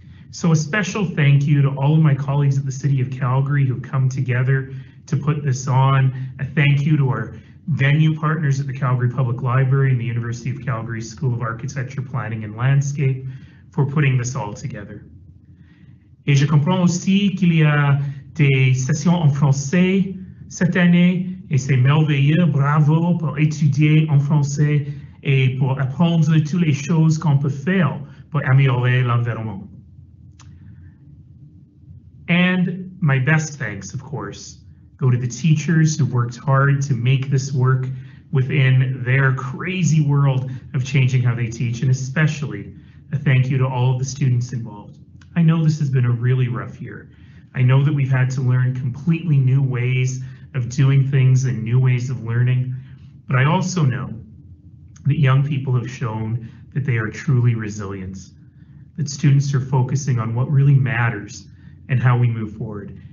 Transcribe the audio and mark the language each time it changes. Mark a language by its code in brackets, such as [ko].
[en] So a special thank you to all of my colleagues at the City of Calgary who've come together to put this on. A thank you to our venue partners at the Calgary Public Library and the University of Calgary School of Architecture, Planning and Landscape for putting this all together. [fr] Et je comprends aussi qu'il y a des sessions en français cette année, et c'est merveilleux, bravo pour étudier en français et pour apprendre toutes les choses qu'on peut faire pour améliorer l'environnement. [en] And my best thanks, of course, go to the teachers who worked hard to make this work within their crazy world of changing how they teach, and especially a thank you to all of the students involved. I know this has been a really rough year. I know that we've had to learn completely new ways of doing things and new ways of learning, but I also know that young people have shown that they are truly resilient, that students are focusing on what really matters and how we move forward.